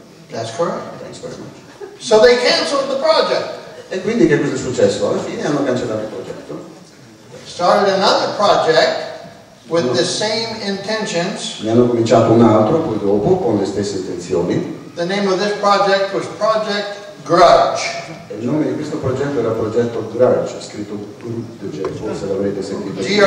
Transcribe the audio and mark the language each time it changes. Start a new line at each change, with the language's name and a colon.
English: That's correct. Thanks very much. So they canceled the project.
Italian: E quindi che cosa è successo? Alla fine hanno cancellato il progetto.
English: Started another project with the same intentions.
Italian: Ne hanno cominciato un altro, poi dopo, con le stesse intenzioni.
English: The name of this project was Project Grudge.
Italian: E il nome di questo progetto era Progetto Grudge, scritto tutto, cioè, forse l'avrete sentito.